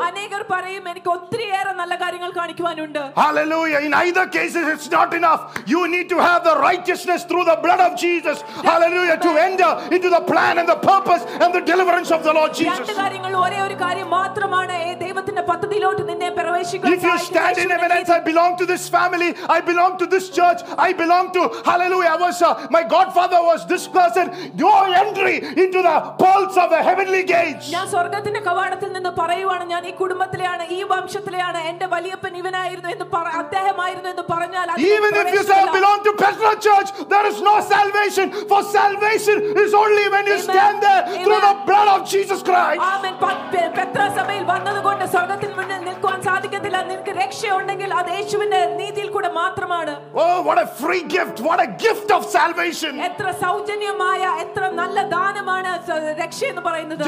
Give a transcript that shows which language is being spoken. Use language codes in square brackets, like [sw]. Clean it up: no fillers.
[ml] അനേകർ പറയും എനിക്ക് ഒത്തിരിയേറെ നല്ല കാര്യങ്ങൾ കാണിക്കുവാനുണ്ട്. [en] Hallelujah. In either cases it's not enough. You need to have the righteousness through the blood of Jesus. Hallelujah. To enter into the plan and the purpose and the deliverance of the Lord Jesus. [ml] രണ്ട് കാര്യങ്ങൾ ഒരേ ഒരു കാര്യം മാത്രമാണ് ഈ ദൈവത്തിന്റെ പദ്ധതിയിലോട്ട് നിന്നെ പ്രവേശിക്കുവാൻ. [en] If you stand in evidence, I belong to this family, I belong to this church, I belong to, hallelujah, my godfather was this person, your entry into the pulse of the heavenly gates. [ml] ഞാൻ സ്വർഗ്ഗത്തിന്റെ കവാടത്തിൽ നിന്ന് പറയുവാൻ ഞാൻ ഈ കുടുംബത്തിലെയാണ് ഈ വംശത്തിലെയാണ് എന്റെ വലിയപ്പൻ ഇവനായിരുന്നു എന്ന് അദ്ദേഹമായിരുന്നു എന്ന് പറഞ്ഞാൽ [en] even if you say belong to Petra church there is no salvation for salvation is only when you stand there through the blood of Jesus Christ [ml] amen Petra സഭയിൽ വന്നതുകൊണ്ട് സ്വർഗ്ഗത്തിൽ മുന്നിൽ നിൽക്കുവാൻ സാധിക്കത്തില്ല നിനക്ക് രക്ഷയുണ്ടെങ്കിൽ അത് യേശുവിന്റെ നീതിയിൽ കൂടെ മാത്രമാണ് [en] oh what a free gift what a gift of salvation [ml] എത്ര സൗജന്യമായ എത്ര നല്ല ദാനമാണ് രക്ഷ എന്ന് പറയുന്നത്